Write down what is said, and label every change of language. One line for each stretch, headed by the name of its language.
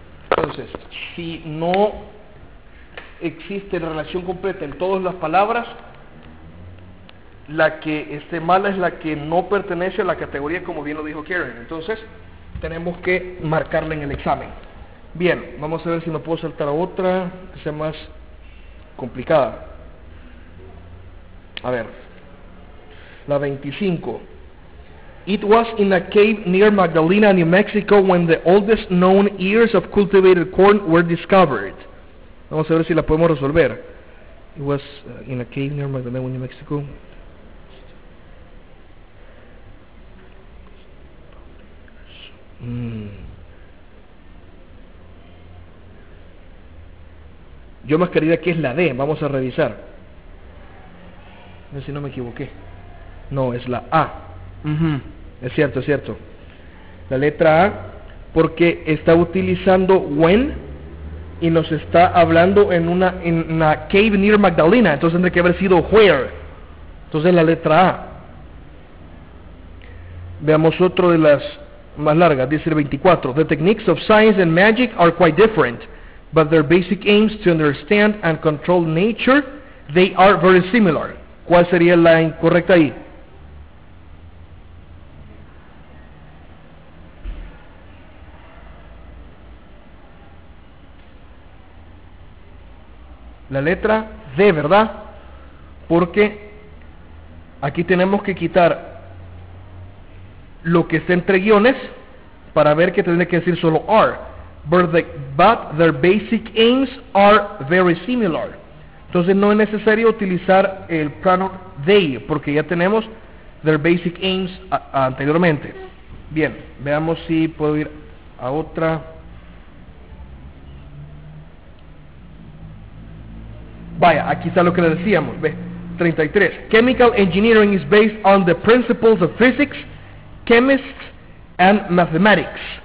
Spanish: Entonces, si no existe la relación completa en todas las palabras, la que esté mala es la que no pertenece a la categoría, como bien lo dijo Karen. Entonces, tenemos que marcarla en el examen. Bien, vamos a ver si me puedo saltar a otra que sea más complicada. A ver, la 25.
English: It was in a cave near Magdalena, New Mexico, when the oldest known ears of cultivated corn were discovered.
Spanish: Vamos a ver si la podemos resolver.
English: It was in a cave near Magdalena, New Mexico.
Spanish: Yo más quería que es la D. Vamos a revisar. A ver si no me equivoqué. No, es la A. Uh-huh. Es cierto, es cierto. La letra A, porque está utilizando when y nos está hablando en una
English: cave near Magdalena.
Spanish: Entonces tendría que haber sido where. Entonces la letra A. Veamos otro de las más largas, dice el 24.
English: The techniques of science and magic are quite different, but their basic aims to understand and control nature, they are very similar.
Spanish: ¿Cuál sería la incorrecta ahí? La letra D, ¿verdad? Porque aquí tenemos que quitar lo que está entre guiones para ver que tiene que decir solo are.
English: But their basic aims are very similar.
Spanish: Entonces no es necesario utilizar el pronoun they, porque ya tenemos
English: their basic aims
Spanish: anteriormente. Bien, veamos si puedo ir a otra. Vaya, aquí está lo que le decíamos, ve, 33.
English: Chemical engineering is based on the principles of physics, chemists and mathematics.